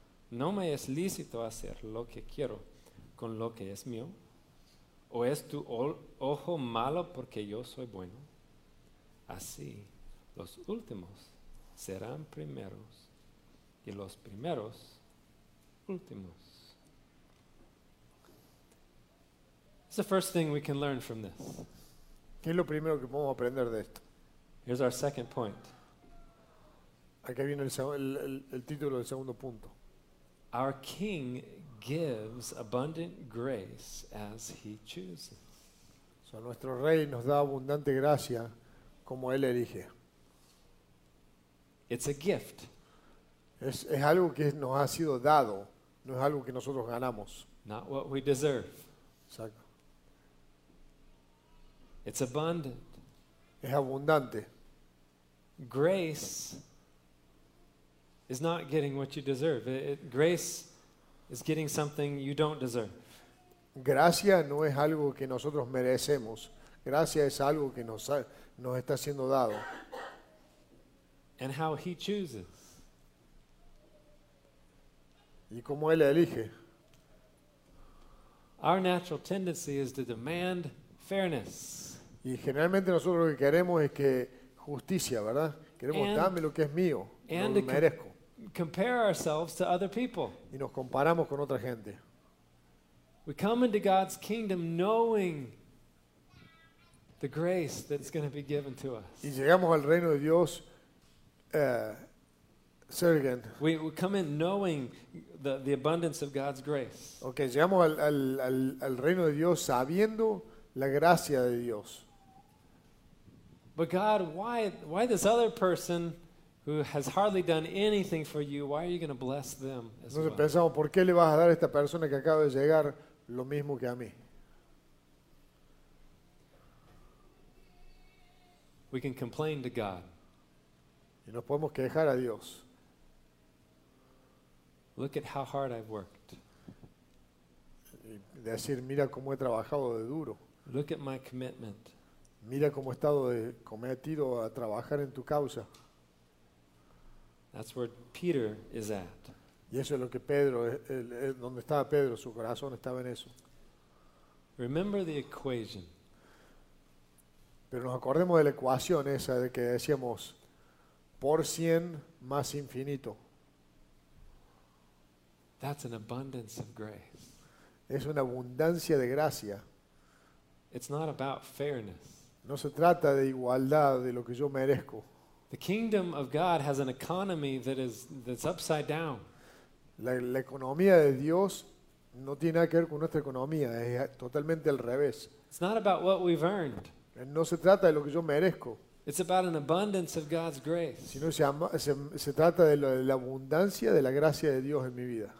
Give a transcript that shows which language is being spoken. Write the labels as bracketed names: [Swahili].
[Spanish] No me es lícito hacer lo que quiero con lo que es mío. ¿O es tu ojo malo porque yo soy bueno? Así, los últimos serán primeros y los primeros últimos. [English] It's the first thing we can learn from this. [Spanish] ¿Qué es lo primero que podemos aprender de esto? [English] Here's our second point. [Spanish] Aquí viene el título del segundo punto. [English] Our King gives abundant grace as he chooses. [Spanish] So nuestro rey nos da abundante gracia como él elige. [English] It's a gift. [Spanish] Es algo que nos ha sido dado, no es algo que nosotros ganamos. [English] Not what we deserve. [Spanish] Exacto. [English] It's abundant. [Spanish] Es abundante. [English] Grace is not getting what you deserve. Grace is getting something you don't deserve. [Spanish] Gracia no es algo que nosotros merecemos. Gracia es algo que nos está siendo dado. [English] And how he chooses. [Spanish] Y cómo él elige. [English] Our natural tendency is to demand fairness. [Spanish] Y generalmente nosotros lo que queremos es que justicia, ¿verdad? Queremos dame lo que es mío, lo merezco. [English] Compare ourselves to other people. [Spanish] Y nos comparamos con otra gente. [English] We come into God's kingdom knowing the grace that's going to be given to us. [Spanish] Y llegamos al reino de Dios. [English] Say it again. We come in knowing the abundance of God's grace. [Spanish] Okay, llegamos al reino de Dios sabiendo la gracia de Dios. [English] But God, why this other person who has hardly done anything for you, why are you going to bless them as [Spanish] Entonces [English] well? [Spanish] Pensamos, ¿por qué le vas a dar a esta persona que acaba de llegar lo mismo que a mí? [English] We can complain to God. [Spanish] Y nos podemos quejar a Dios. [English] Look at how hard I've worked. [Spanish] Decir, mira cómo he trabajado de duro. [English] Look at my commitment. [Spanish] Mira cómo he estado cometido a trabajar en tu causa. [English] That's where Peter is at. [Spanish] Y eso es lo que Pedro, donde estaba Pedro, su corazón estaba en eso. [English] Remember the equation. [Spanish] Pero nos acordemos de la ecuación esa de que decíamos por 100 más infinito. [English] That's an abundance of grace. [Spanish] Es una abundancia de gracia. [English] It's not about fairness. [Spanish] No se trata de igualdad de lo que yo merezco. [English] The kingdom of God has an economy that's upside down. [Spanish] La economía de Dios no tiene nada que ver con nuestra economía, es totalmente al revés. [English] It's not about what we've earned. [Spanish] No se trata de lo que yo merezco. [English] It's about an abundance of God's grace. [Spanish] Sino se trata de la abundancia de la gracia de Dios en mi vida.